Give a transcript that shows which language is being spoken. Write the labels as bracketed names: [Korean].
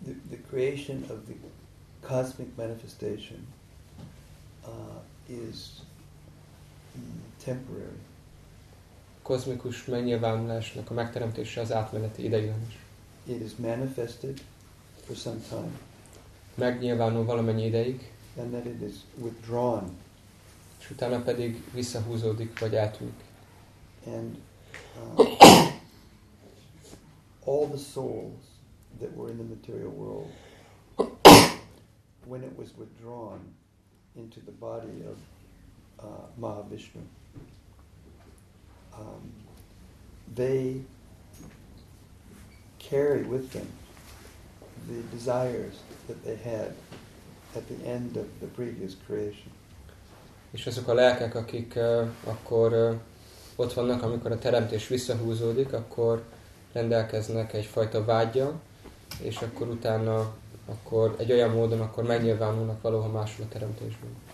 [English] The creation of the cosmic manifestation is temporary. [Hungarian] Kozmikus megnyilvánulásnak a megteremtése az átmeneti, ideiglenes. [English] It is manifested for some time. [Hungarian] Megnyilvánul valamennyi ideig. [English] And then it is withdrawn. [Hungarian] És utána pedig visszahúzódik vagy átűnik. [English] And all the souls that were in the material world, when it was withdrawn into the body of Mahavishnu, they carry with them the desires that they had at the end of the previous creation. [Hungarian] És azok a lelkek, akik akkor ott vannak, amikor a teremtés visszahúzódik, akkor rendelkeznek egyfajta vágya, és akkor utána, akkor egy olyan módon, akkor megnyilvánulnak valóha máshol a teremtésben.